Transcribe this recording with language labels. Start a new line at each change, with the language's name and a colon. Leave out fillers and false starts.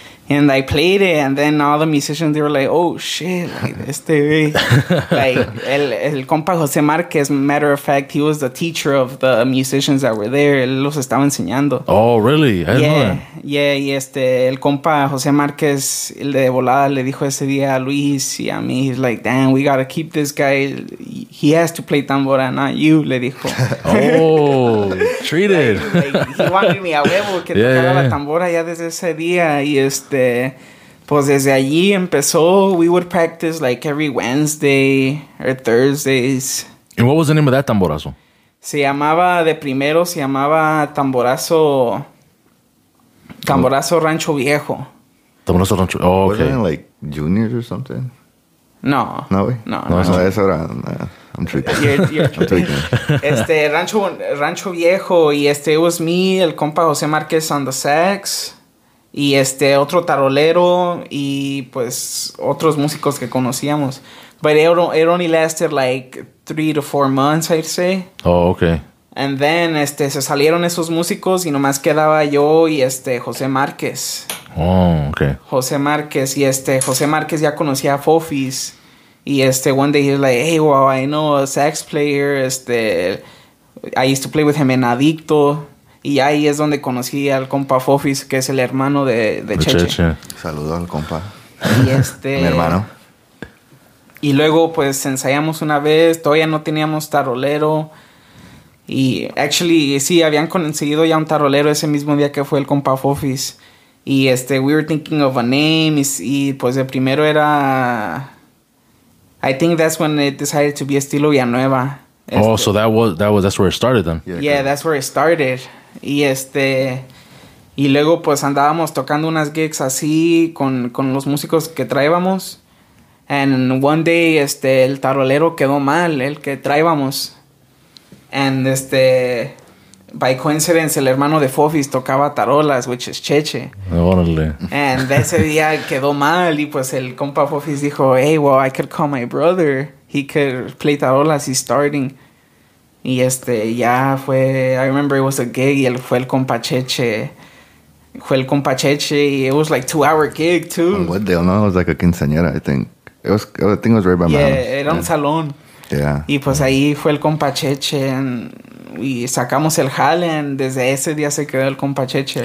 English: And I played it, and then all the musicians, they were like, oh, shit, like,
Spanish: el compa
English: José Márquez, matter of fact, he was the teacher of the musicians that were there.
Spanish: Él los estaba enseñando.
English: Oh, really?
Spanish: Yeah, y el compa José Márquez, el de volada, le dijo ese día a Luis y a mí,
English: he's like, damn, we gotta keep this guy. He has to play tambora, not you,
Spanish: le dijo.
English: Oh, treated. Like, he wanted me
Spanish: a huevo que tocara la tambora ya desde ese día, y pues desde allí empezó.
English: We would practice like every Wednesday or Thursdays. And what was the name of that tamborazo?
Spanish: Se llamaba Tamborazo Rancho Viejo.
English: Tamborazo Rancho, oh, okay. Wasn't it like juniors or something? No. No, no.
Spanish: Eso era,
English: I'm tricking. You're tricking. Rancho Viejo, y it was me,
Spanish: el compa
English: José Márquez on the sax.
Spanish: Y otro tarolero y pues otros músicos que conocíamos.
English: But it only lasted like 3 to 4 months, I'd say. Oh, okay. And then
Spanish: se salieron esos músicos y nomás quedaba yo y José Márquez.
English: Oh, okay.
Spanish: José Márquez y José Márquez ya conocía a Fofis.
English: Y one day he's like, hey, wow, I know a sax player. I used to play with him in Adicto.
Spanish: Y ahí es donde conocí al compa Fofis, que es el hermano de Cheche. Cheche. Saludo al compa. Y mi hermano. Y luego, pues, ensayamos una vez. Todavía no teníamos tarolero. Y, actually, sí, habían conseguido ya un tarolero ese mismo día que fue el compa Fofis.
English: Y we were thinking of a name.
Spanish: Y pues, de primero era...
English: I think that's when it decided to be Estilo Villanueva. Oh, so that was that's where it started then. Yeah, that's where it started.
Spanish: Y y luego pues andábamos tocando unas gigs así con los músicos que traíamos.
English: And one day
Spanish: el tarolero quedó mal, el que traíamos.
English: And by coincidence,
Spanish: el hermano de Fofis tocaba tarolas,
English: which is
Spanish: Cheche. Órale. And ese día quedó mal y pues el compa Fofis dijo,
English: hey, well, I could call my brother. He could play tarolas, he's starting.
Spanish: Y ya fue,
English: I remember it was a gig
Spanish: y él fue el compa Cheche. Fue el compa Cheche y
English: it was like 2 hour gig too. On what deal? No, it was like a quinceañera, I think. I think it was right by my house.
Spanish: Yeah, era un salón.
English: Yeah.
Spanish: Y pues ahí fue el compa Cheche y sacamos el jale. Desde ese día se quedó el compa Cheche.